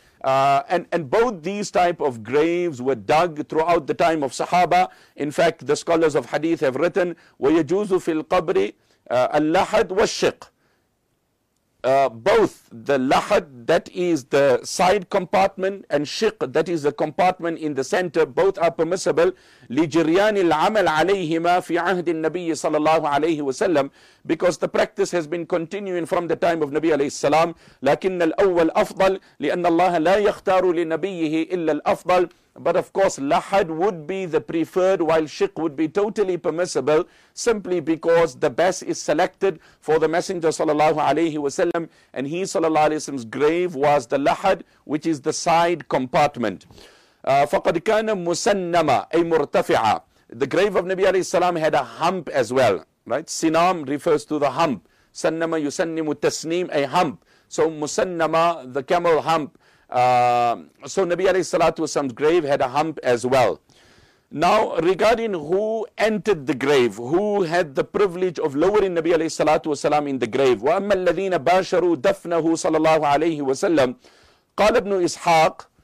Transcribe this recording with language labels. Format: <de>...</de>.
<en>And both these type of graves were dug throughout the time of Sahaba. In fact, the scholars of hadith have written,</en> <ar>وَيَجُوزُ فِي الْقَبْرِ اللحد والشق.</ar> <en>Both the lahad, that is the side compartment, and shiq, that is the compartment in the center, both are permissible.</en> <ar>لجريان العمل عليهما في عهد النبي صلى الله عليه وسلم.</ar> <en>Because the practice has been continuing from the time of Nabi عليه السلام.</en> <ar>لكن الأول أفضل لأن الله لا يختار لنبيه إلا الأفضل.</ar> <en>But of course, lahad would be the preferred, while shiq would be totally permissible, simply because the best is selected for the Messenger sallallahu alayhi wasallam, and he sallallahu alayhi wasallam's grave was the lahad, which is the side compartment.</en> <ar>فَقَدْ كَانَ مُسَنَّمًا أي مُرْتَفِعًا.</ar> <en>The grave of Nabi alayhi salam had a hump as well, right? Sinam refers to the hump.</en> <ar>سَنَّمَ يُسَنِّمُ التَّسْنِيمُ</ar> <en>a hump. So مُسَنَّمًا, the camel hump. So Nabi alayhi salatu wasalam's grave had a hump as well. Now, regarding who entered the grave, who had the privilege of lowering Nabi alayhi salatu wasalam in the grave,</en> <ar>وَأَمَّا الَّذِينَ بَاشَرُوا دَفْنَهُ صَلَى اللَّهُ عَلَيْهِ وَسَلَّمْ قَالَ ابْنُ إِسْحَاقُ.</ar>